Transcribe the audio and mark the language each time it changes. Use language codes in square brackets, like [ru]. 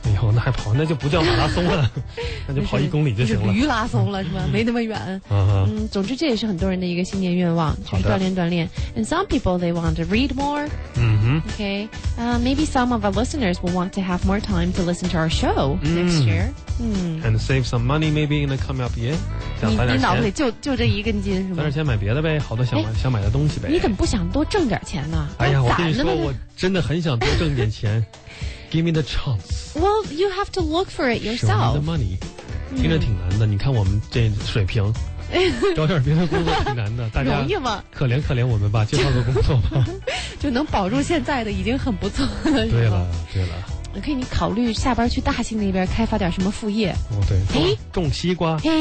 [zh] 哎呦，那还跑，那就不叫马拉松了，那就跑一公里就行了。驴拉松了是吧？没那么远。总之这也是很多人的一个新年愿望，就是锻炼锻炼。 [en] And some people they want to read more. Okay. Maybe some of our listeners will want to have more time to listen to our show next year. And save some money maybe in the coming up year. [zh] 想攒点钱。你脑子里就这一根筋是吧？攒点钱买别的呗，好多想买的东西呗。你怎么不想多挣点钱呢？哎呀，我跟你说，我真的很想多挣点钱。 [en] Give me the chance. Well, you have to look for it yourself. Show me the money. [zh] 听着挺难的，你看我们这水平，找点别的工作挺难的。大家容易吗？可怜可怜我们吧，介绍个工作吧。就能保住现在的已经很不错了。对了，对了。可以，你考虑下班去大兴那边开发点什么副业？哦，对，种西瓜。